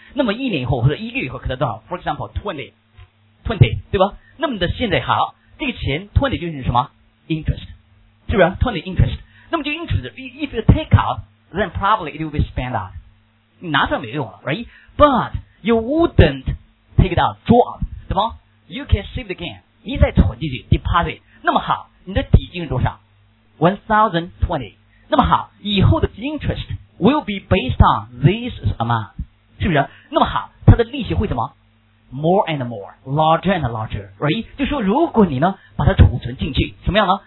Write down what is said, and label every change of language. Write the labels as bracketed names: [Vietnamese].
[Chinese] 那么一年以后或者一个月以后可能多少？ [English] For example, 20, [Chinese] 对吧？那么的现在好，这个钱 20 就是什么？ [English] Interest. [Chinese] 是不是？ [English] 20 interest. [Chinese] 那么就 [English] interest, if you take out, then probably it will be spent out. [Chinese] 你拿出来没用了， [English] right? But you wouldn't take it out, draw out. [Chinese] 怎么？ [English] You can save again. [Chinese] 你再存进去 deposit. 那么好，你的底金是多少？ [English] 1,020。 [Chinese] 那么好，以后的 [English] interest will be based on this amount， [Chinese] 是不是？那么好，它的利息会怎么？ [English] More and more, larger and larger, right? [Chinese] 就说如果你呢把它储存进去，什么样呢？